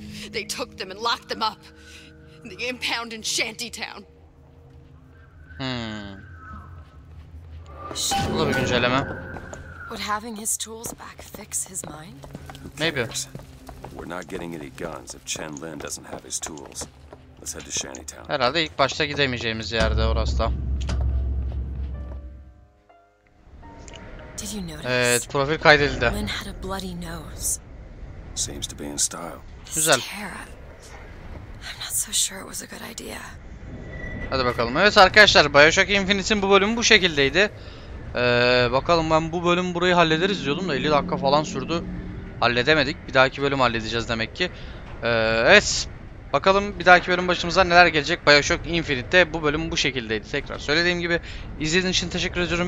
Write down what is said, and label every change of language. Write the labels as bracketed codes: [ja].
[en] They took them and locked them up in the impound in Shantytown. Hmm. Would having his tools back fix his mind? Maybe. We're not getting any guns if Chen Lin doesn't have his tools. Let's head to Shantytown. [tr] Herhalde ilk başta gidemeyeceğimiz yerde orası da. [en] Did you notice? [tr] Evet, profil kaydedildi. [en] Lin had a bloody nose. Seems to be in style. [tr] Güzel. [en] I'm not so sure it was a good idea. [tr] Hadi bakalım. Evet arkadaşlar, BioShock Infinite'in bu bölümü bu şekildeydi. Bakalım, ben bu bölümü burayı hallederiz diyordum da 50 dakika falan sürdü. Halledemedik. Bir dahaki bölüm halledeceğiz demek ki. Evet. Bakalım bir dahaki bölüm başımıza neler gelecek. BioShock Infinite'de bu bölüm bu şekildeydi. Tekrar söylediğim gibi izlediğiniz için teşekkür ediyorum.